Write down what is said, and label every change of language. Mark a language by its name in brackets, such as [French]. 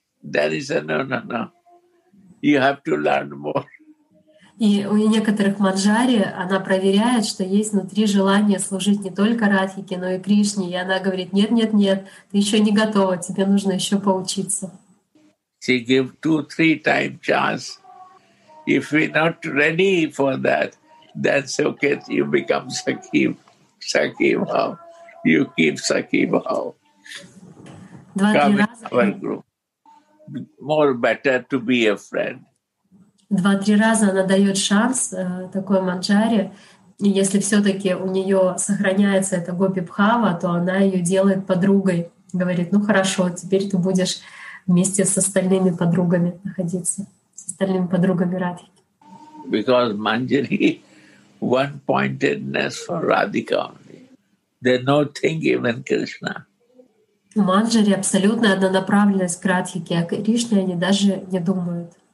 [English] There is a no. You have to learn more. [Russian] И у некоторых манджари она проверяет, что есть внутри желание служить не только Радхике, но и Кришне. И она говорит, нет, ты еще не готова, тебе нужно еще поучиться. [English] She give 2-3 time chance. If we not ready for that, that's okay, you become Sakhi, Sakhi Bhav. You keep Sakhi Bhav. Come in our group. More better to be a friend. [Russian] 2-3 раза она дает шанс такой манджаре, и если все-таки у нее сохраняется эта гопи бхава, то она ее делает подругой, говорит, ну хорошо, теперь ты будешь вместе с остальными подругами находиться, с остальными подругами Радхики. [English] Because manjari one pointedness for Radhika only, they no think even Krishna. [Russian] Манджари абсолютная однонаправленность к Радхике, а Кришне они даже не думают.